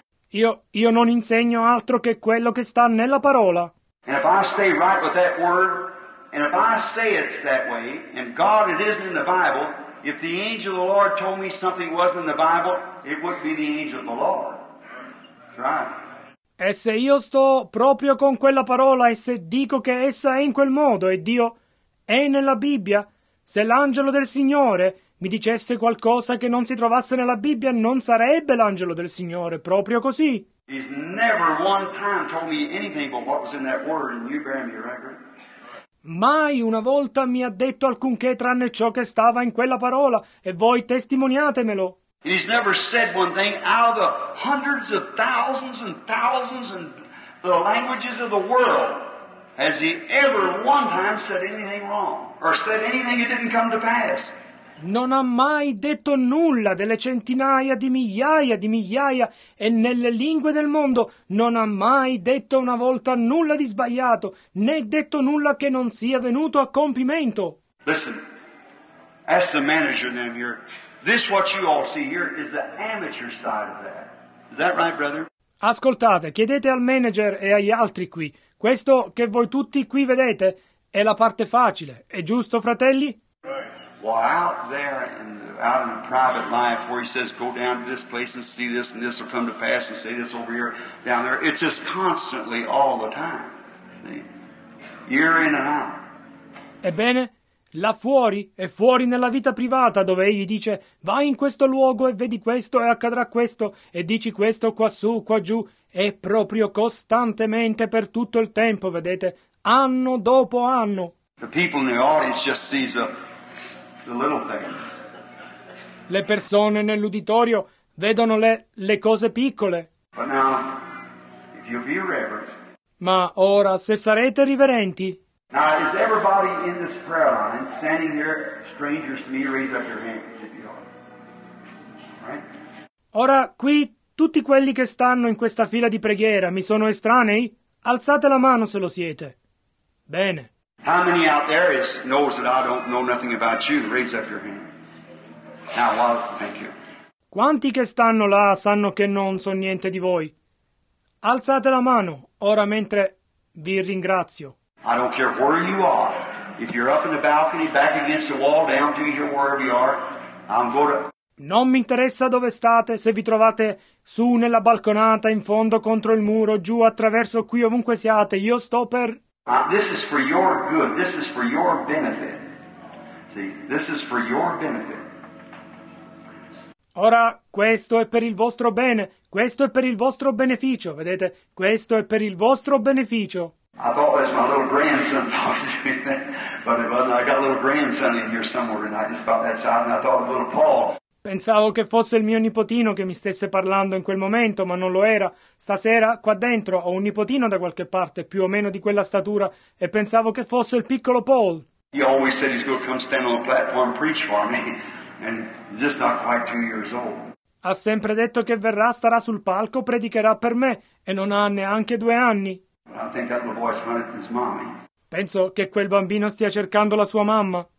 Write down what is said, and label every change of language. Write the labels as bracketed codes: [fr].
[it] Io non insegno altro che quello che sta nella parola. [en] And if I stay right with that word, and if I say it's that way, and God it isn't in the Bible, if the angel of the Lord told me something wasn't in the Bible, it wouldn't be the angel of the Lord. That's right. [it] E se io sto proprio con quella parola e se dico che essa è in quel modo e Dio è nella Bibbia, se l'angelo del Signore mi dicesse qualcosa che non si trovasse nella Bibbia, non sarebbe l'angelo del Signore, proprio così. [en] He's never one time told me anything but what was in that word in New Bramley Record. [it] Mai una volta mi ha detto alcunché tranne ciò che stava in quella parola, e voi testimoniatemelo. [en] He's never said one thing out of the hundreds of thousands and thousands and the languages of the world. Has he ever one time said anything wrong? Or said anything that didn't come to pass? [it] Non ha mai detto nulla delle centinaia di migliaia, e nelle lingue del mondo non ha mai detto una volta nulla di sbagliato, né detto nulla che non sia venuto a compimento. [en] Listen, ask the manager then here. This what you all see here is the amateur side of that. Is that right, brother? [it] Ascoltate, chiedete al manager e agli altri qui. Questo che voi tutti qui vedete è la parte facile, è giusto, fratelli? [en] Well, out there, out in the private life, where he says, go down to this place and see this, and this will come to pass, and say this over here, down there. It's just constantly, all the time. See? Year in and out. [it] Ebbene, là fuori, e fuori nella vita privata, dove egli dice, vai in questo luogo e vedi questo, e accadrà questo, e dici questo quassù, quaggiù, è proprio costantemente per tutto il tempo, vedete, anno dopo anno. [en] The people in the audience just sees the little things. [it] Le persone nell'uditorio vedono le cose piccole. [en] But now, if you'll be reverent, [it] ma ora, se sarete riverenti, [en] now, is everybody in this prayer line standing here, strangers to me, raise up your hand if you are. Right? [it] Ora, qui, tutti quelli che stanno in questa fila di preghiera, mi sono estranei? Alzate la mano se lo siete. Bene. [en] How many out there knows that I don't know nothing about you? Raise up your hand. Now, well, thank you. [it] Quanti che stanno là sanno che non so niente di voi? Alzate la mano, ora mentre vi ringrazio. [en] I don't care where you are. If you're up in the balcony, back against the wall, down to here, wherever you are, I'm going to... [it] Non mi interessa dove state, se vi trovate su nella balconata, in fondo, contro il muro, giù, attraverso qui, ovunque siate, io sto per... [en] This is for your good. This is for your benefit. See, this is for your benefit. [it] Ora, questo è per il vostro bene. Questo è per il vostro beneficio, vedete? Questo è per il vostro beneficio. [en] I thought that was my little grandson talking to me, but I got a little grandson in here somewhere tonight, just about that side, and I thought of little Paul. [it] Pensavo che fosse il mio nipotino che mi stesse parlando in quel momento, ma non lo era. Stasera, qua dentro, ho un nipotino da qualche parte, più o meno di quella statura, e pensavo che fosse il piccolo Paul. [en] He always said he's going to come stand on the platform and preach for me, and just not quite 2 years old. [it] Ha sempre detto che verrà, starà sul palco, predicherà per me, e non ha neanche 2 anni. [en] I think that little boy's hunting his mommy. [it] Penso che quel bambino stia cercando la sua mamma.